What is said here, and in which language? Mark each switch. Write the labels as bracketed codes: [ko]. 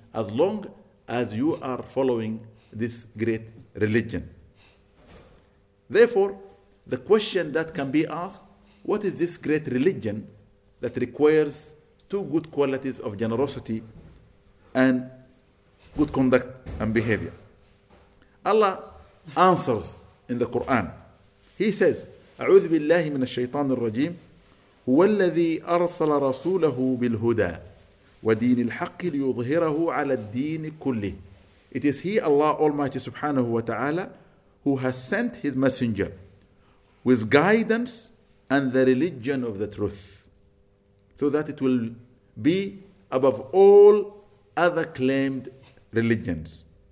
[en] As long as you are following this great religion. Therefore, the question that can be asked, what is this great religion that requires two good qualities of generosity and good conduct and behavior? Allah answers in the Quran. He says, [ar] أعوذ بالله من الشيطان الرجيم هو الذي أرسل رسوله بالهدى ودين الحق ليظهره على الدين كله. [en] It is He, Allah Almighty subhanahu wa ta'ala, who has sent His messenger with guidance and the religion of the truth, so that it will be above all other claimed religions.